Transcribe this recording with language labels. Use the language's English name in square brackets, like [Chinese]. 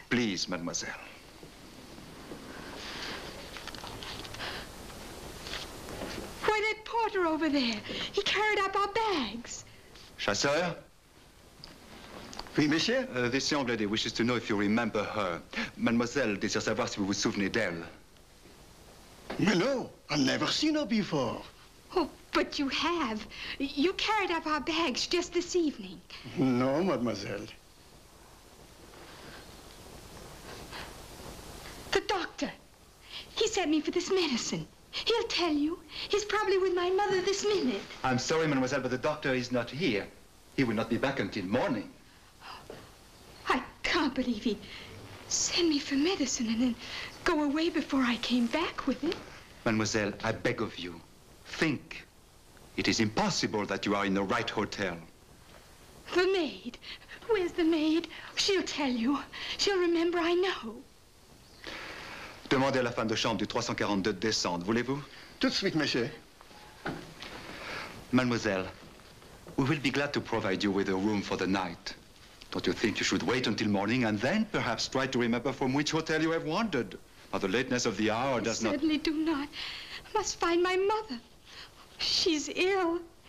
[English] Please, mademoiselle. Why, that porter over there. He carried up our bags. [French] Chasseur? Oui, monsieur? [English] This young lady wishes to know if you remember her. [French] Mademoiselle désire savoir si vous vous souvenez d'elle. Mais non, [English] I've never seen her before. Oh, but you have. You carried up our bags just this evening. No, mademoiselle. The doctor. He sent me for this medicine. He'll tell you. He's probably with my mother this minute. I'm sorry, mademoiselle, but the doctor is not here. He will not be back until morning. I can't believe he'd send me for medicine and then go away before I came back with it. Mademoiselle, I beg of you, think. It is impossible that you are in the right hotel. The maid. Where's the maid? She'll tell you. She'll remember, I know. [French] Demandez à la femme de chambre du 342 de descendre, voulez-vous? Tout de suite, monsieur. [English] Mademoiselle, we will be glad to provide you with a room for the night. Don't you think you should wait until morning and then perhaps try to remember from which hotel you have wandered? But the lateness of the hour does not... I certainly do not. I must find my mother. She's ill.